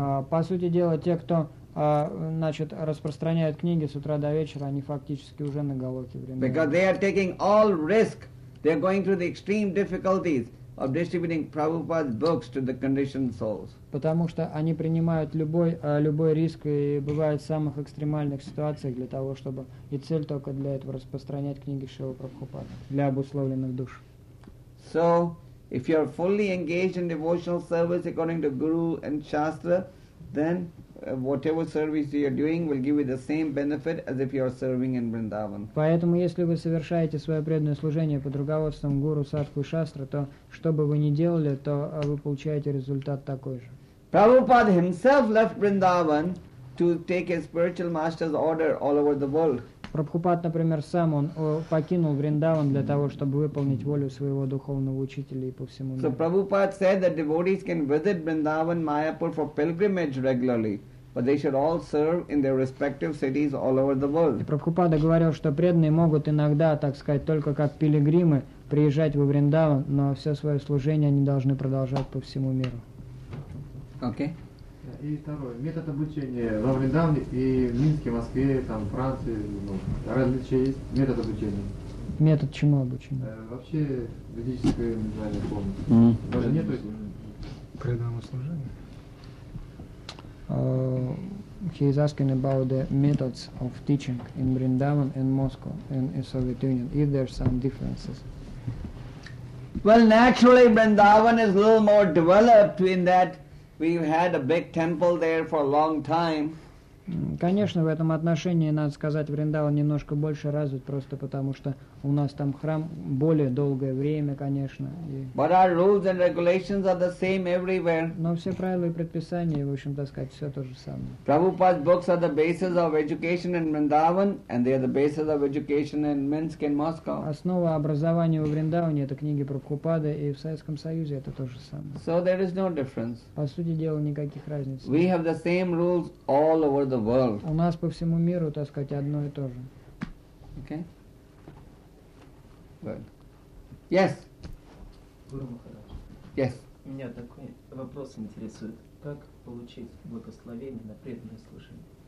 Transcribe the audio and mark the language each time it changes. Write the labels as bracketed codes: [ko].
[ru] По сути дела, те, кто значит, распространяют книги с утра до вечера, они фактически уже на Голоке Вриндавана. [en] Because they are taking all risk. They are going through the extreme difficulties of distributing Prabhupada's books to the conditioned souls. [ru] Потому что они принимают любой риск и бывают в самых экстремальных ситуациях для того, чтобы и цель только для этого распространять книги Шрилы Прабхупады для обусловленных душ. [en] So, if you are fully engaged in devotional service according to Guru and Shastra, then whatever service you are doing will give you the same benefit as if you are serving in Vrindavan. [ru] Поэтому, если вы совершаете свое преданное служение под руководством гуру, садху и шастры, то что бы вы ни делали, то вы получаете результат такой же. [en] Prabhupada himself left Vrindavan to take his spiritual master's order all over the world. [ru] Прабхупад, например, сам он покинул Вриндаван для того, чтобы выполнить волю своего духовного учителя и по всему миру. [en] So Prabhupada said that devotees can visit Vrindavan, Mayapur for pilgrimage regularly, but they should all serve in their respective cities all over the world. [ru] Прабхупада говорил, что преданные могут иногда, так сказать, только как пилигримы приезжать во Вриндаван, но все свое служение они должны продолжать по всему миру. [en] Okay. [ru] И второе, метод обучения во Вриндаване и в Минске, Москве, там, Франции, ну, различия есть, метод обучения. Метод чему обучения? Вообще, ведическое индивидуальное помощь. Даже нету преданного служения. [en] he is asking about the methods of teaching in Vrindavan and Moscow and in Soviet Union, if there are some differences. Well, naturally Vrindavan is a little more developed in that we had a big temple there for a long time. [ru] Конечно, в этом отношении, надо сказать, Вриндаван немножко больше развит, просто потому что у нас там храм более долгое время, конечно. [en] But our rules and regulations are the same everywhere. [ru] Но все правила и предписания, в общем-то сказать, все то же самое. [en] Prabhupada's books are the basis of education in Vrindavan, and they are the basis of education in Minsk and Moscow. [ru] Основа образования в Вриндаване – это книги Прабхупады, и в Советском Союзе это то же самое. [en] So there is no difference. [ru] По сути дела, никаких разниц. [en] We have the same rules all over the world. [ru] У нас по всему миру, так сказать, одно и то же. [en] Okay. Good. Yes. [ru] Гуру Махарадж. [en] Yes. [ru] Меня такой вопрос интересует. Как получить благословение на преданное слушание?